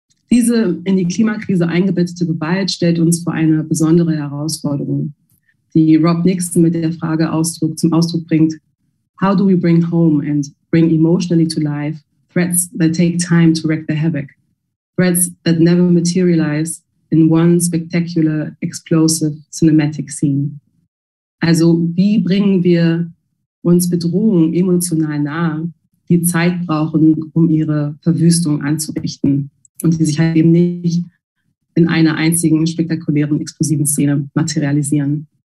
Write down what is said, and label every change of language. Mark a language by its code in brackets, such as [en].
[de] Diese in die Klimakrise eingebettete Gewalt stellt uns vor eine besondere Herausforderung, die Rob Nixon mit der Frage zum Ausdruck bringt: [en] How do we bring home and bring emotionally to life threats that take time to wreak the havoc? Threats that never materialize in one spectacular, explosive cinematic scene. [de] Also, wie bringen wir uns Bedrohungen emotional nahe, die Zeit brauchen, um ihre Verwüstung anzurichten? Und die sich halt eben nicht in einer einzigen spektakulären, explosiven Szene materialisieren.